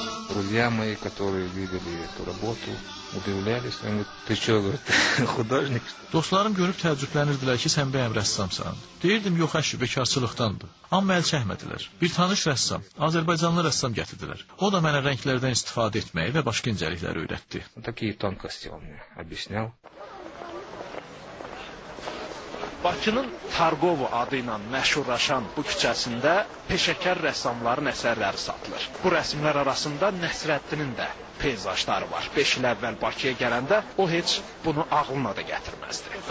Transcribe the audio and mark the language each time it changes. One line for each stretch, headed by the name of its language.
Russian: Друзья мои, которые видели эту работу, удивлялись, они: "Ты что, говорит, художник?"
Azerbaijani: Dostlarım görüb təəccüblənirdilər ki, sən bəyəm rəssamsan. Deyirdim, yox əşi, bekarçılıqdandır. Amma əl çəkmədilər. Bir tanış rəssam, Azərbaycanlı rəssam gətirdilər. O da mənə rənglərdən istifadə etməyi və başqa incəlikləri öyrətdi.
Russian: Такие тонкости он мне объяснял.
Azerbaijani: Bakının Targovo adı ilə məşhurlaşan bu küçəsində peşəkar rəssamların əsərləri satılır. Bu rəsmlər arasında Nəsrəddinin də peyzajlar var. 5 il əvvəl Bakıya gələndə o heç bunu ağlına da gətirməzdi.